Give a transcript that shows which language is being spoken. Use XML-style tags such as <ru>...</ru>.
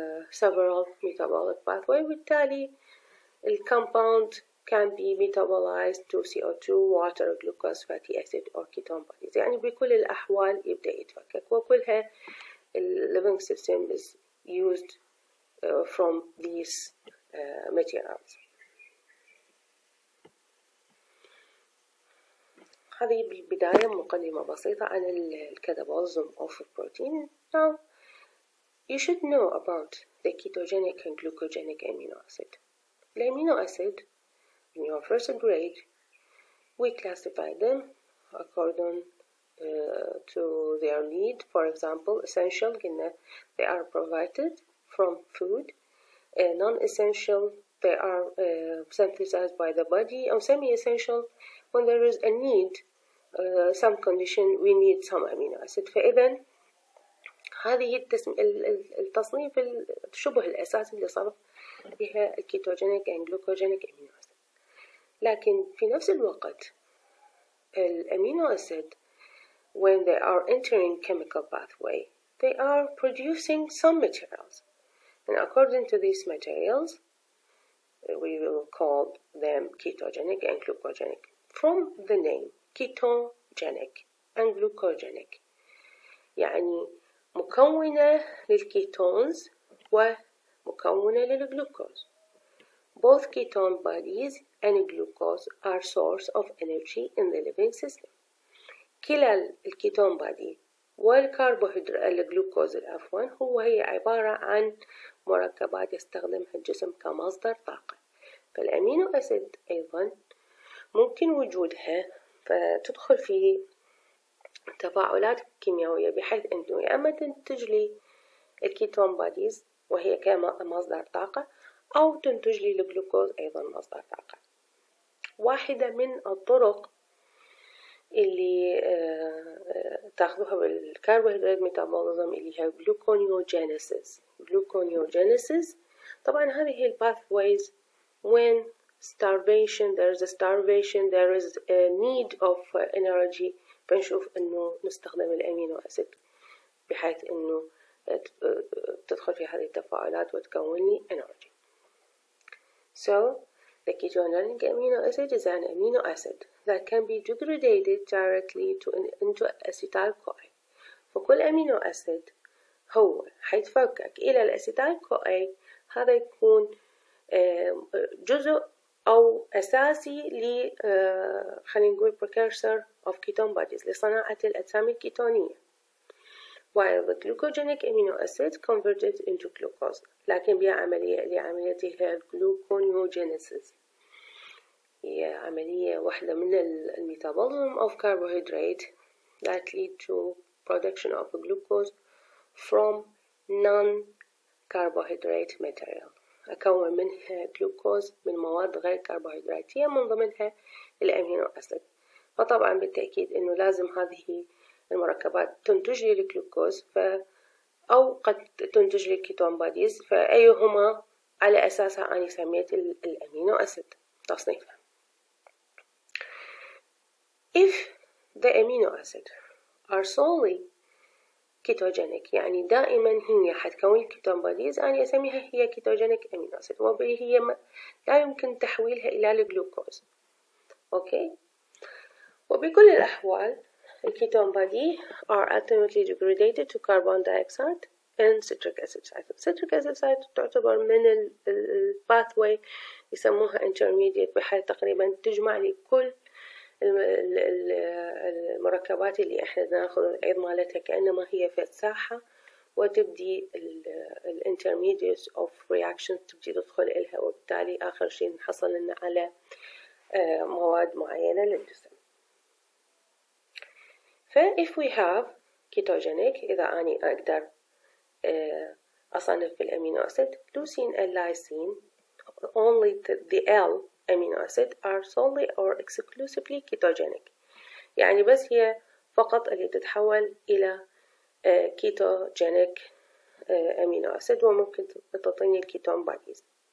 <en>several metabolic pathway</en> <ar>وبالتالي ال</ar> <en>compound can be metabolized to CO2 water glucose fatty acid or ketone bodies</en> <ar>يعني بكل الأحوال يبدأ يتفكك وكلها ال</ar> <en>living system is used from these materials.</en> <ar>هذه بالبداية مقدمة بسيطة عن الكاتابوليزم</ar> <en>of a protein. Now, you should know about the ketogenic and glucogenic amino acid. The amino acid, in your first grade, we classify them according to their need. For example, essential, they are provided from food. Non-essential, they are synthesized by the body, or semi-essential, when there is a need, some condition, we need some amino acid.</en> <ar>فإذا هذه هي التصنيف الشبه الأساسي لصرف بها الكيتوجينيك أند جلوكوجينيك أمينو أسيد. لكن في نفس الوقت الأمينو أسيد</ar> <en>when they are entering chemical pathway they are producing some materials and according to these materials we will call them ketogenic and glucogenic from the name ketogenic and glucogenic</en> <ar>يعني مكونة للكيتونز ومكونة للجلوكوز.</ar> <en>Both ketone bodies and glucose are source of energy in the living system.</en> <ar>كلا الكيتون بادي والكربوهيدرات الجلوكوز عفوا هو هي عبارة عن مركبات يستخدمها الجسم كمصدر طاقة. فالأمينو أسيد أيضا ممكن وجودها فتدخل في تفاعلات كيميائية بحيث أنه يا أما تنتج لي الكيتون باديز وهي كمصدر طاقة أو تنتج لي الجلوكوز أيضا مصدر طاقة. واحدة من الطرق اللي تاخذوها بالكربوهيدرات ميتابوليزم اللي هي جلوكونيوجينيسيس. جلوكونيوجينيسيس طبعا هذه هي الباثويز</ar> <en>when starvation there is a starvation there is a need of energy</en> <ar>بنشوف انه نستخدم الامينو اسيد بحيث انه تدخل في هذه التفاعلات وتكون لي energy.</ar> <en>So the ketogenic amino acid is an amino acid that can be degraded directly into acetyl-CoA.</en> <ar>فكل أمينو أسيد هو حيتفكك إلى الأسيتال-CoA هذا يكون جزء أو أساسي ل خلينا نقول</ar> <en>precursor of ketone bodies</en> <ar>لصناعة الأجسام الكيتونية.</ar> <en>While the glucogenic amino acid converted into glucose</en> <ar>لكن لعمليته</ar> <en>gluconeogenesis.</en> <ar>هي عملية واحدة من الميتابوليزم</ar> <en>of carbohydrate that lead to production of glucose from non-carbohydrate material.</en> <ar>أكون منها glucose من مواد غير كربوهيدراتية من ضمنها الأمينو أسيد. فطبعا بالتأكيد إنه لازم هذه المركبات تنتج لي الجلوكوز أو قد تنتج لي كيتون باديز فأيهما على أساسها أنا سميت الأمينو أسيد تصنيفها.</ar> <en>If the amino acids are solely ketogenic,</en> <ar>يعني دائما هي حتكون الكيتون باديز أنا أسميها هي</ar> <en>ketogenic amino acid</en> <ar>وهي لا يمكن تحويلها إلى الجلوكوز. أوكي؟ وبكل الأحوال الكيتون بادي</ar> <en>are ultimately degraded to carbon dioxide and citric acid cycle.</en> <ar>Citric acid cycle تعتبر من ال pathway يسموها intermediate بحيث تقريبا تجمع لي كل المركبات اللي احنا ناخذ العيض مالتها كانما هي في الساحة وتبدي الانترميديوس اوف رياكشن تبدي تدخل الها وبالتالي اخر شيء نحصل لنا على مواد معينة للجسم. فا</ar> <en>if we have ketogenic</en> <ar>اذا اني اقدر اصنف بالامينو اسيد</ar> <en>leucine and lysine only the L amino acid are solely or exclusively ketogenic</en> <ar>يعني بس هي فقط اللي تتحول الى</ar> <en>ketogenic amino acid</en> <ar>وممكن تعطيني الكيتون باديز.</ar>